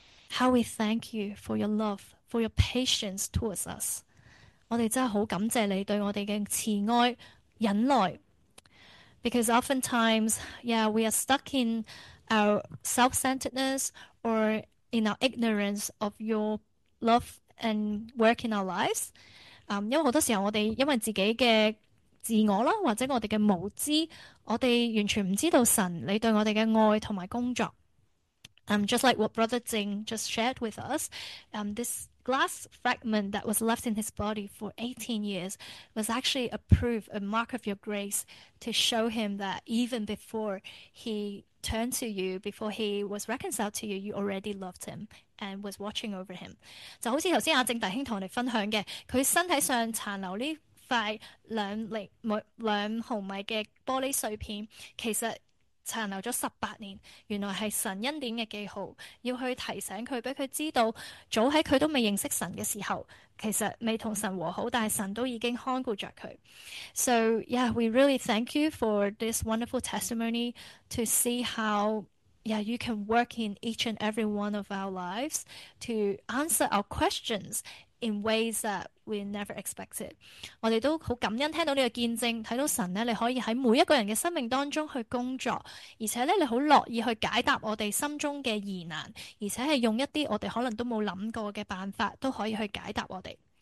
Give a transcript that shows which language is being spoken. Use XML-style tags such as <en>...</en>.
<en>How we thank you for your love, for your patience towards us。</en> <yue>我哋真系好感谢你对我哋嘅慈爱、忍耐。</yue> <en>Because oftentimes, yeah, we are stuck in our self-centeredness or in our ignorance of your love and work in our lives。</en> <yue>因为好多时候我哋因为自己嘅自我啦，或者我哋嘅无知，我哋完全唔知道神你对我哋嘅爱同埋工作。</yue> <en>Just like what Brother Jing just shared with us, this glass fragment that was left in his body for 18 years was actually a proof, a mark of your grace to show him that even before he turned to you, before he was reconciled to you, you already loved him and was watching over him.</en> <yue>就好似头先阿正弟兄同我哋分享嘅，佢身体上残留呢块2厘米2毫米嘅玻璃碎片，其实。残留咗18年，原来系神恩典嘅记号，要去提醒佢，俾佢知道，早喺佢都未认识神嘅时候，其实未同神和好，但系神都已经看顾着佢。</yue> <en>So yeah, we really thank you for this wonderful testimony to see how yeah you can work in each and every one of our lives to answer our questions in ways that we never expected。</en> <yue>我哋都好感恩听到呢个见证，睇到神咧，你可以喺每一个人嘅生命当中去工作，而且咧你好乐意去解答我哋心中嘅疑难，而且系用一啲我哋可能都冇谂过嘅办法都可以去解答我哋。</yue>